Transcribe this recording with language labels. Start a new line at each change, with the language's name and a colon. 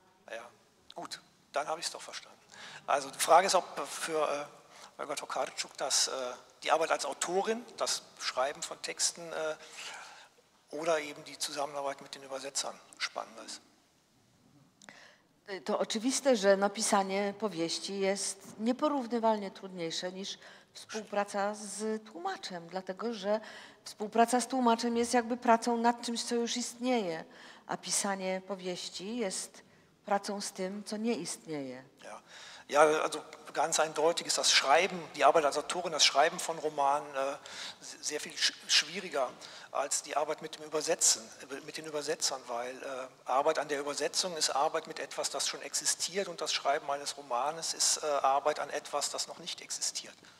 German: Ja, gut, dann habe ich es doch verstanden. Also die Frage ist, ob für Olga Tokarczuk die Arbeit als Autorin, das Schreiben von Texten oder eben die Zusammenarbeit mit den Übersetzern spannender ist.
Polish: To oczywiste, że napisanie powieści jest nieporównywalnie trudniejsze niż współpraca z tłumaczem, dlatego że współpraca z tłumaczem jest jakby pracą nad czymś, co już istnieje, a pisanie powieści jest pracą z tym, co nie istnieje.
German: Ja, ja also ganz eindeutig ist das Schreiben, die Arbeit als Autorin, das Schreiben von Romanen sehr viel schwieriger als die Arbeit mit dem Übersetzen, mit den Übersetzern, weil Arbeit an der Übersetzung ist Arbeit mit etwas, das schon existiert und das Schreiben eines Romanes ist Arbeit an etwas, das noch nicht existiert.